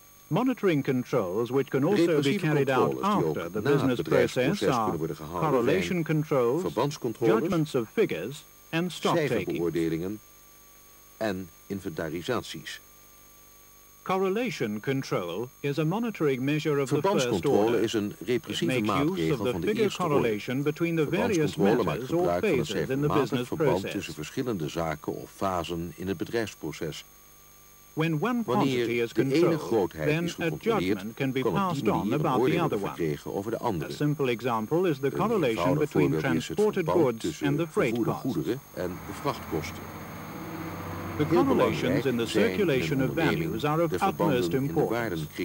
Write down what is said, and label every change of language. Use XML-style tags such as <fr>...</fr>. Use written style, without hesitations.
<en>Monitoring controls, which can also be carried out after the business process, are correlation controls, judgments of figures, and stocktaking.</en> <nl>En inventarisaties.</nl> <en>Correlation control is a monitoring measure of the first order.</en> <nl>Verbandscontrole is een repressieve maatregel van de eerste</nl> <en>correlation between the various matters or phases in the business process.</en> <nl>Verband tussen verschillende zaken of fasen in het bedrijfsproces.</nl> <en>When one quantity is controlled, then a judgment can be passed on about the other one. A simple example is the correlation between transported goods and the freight costs. The correlations in the circulation of values are of utmost importance.</en>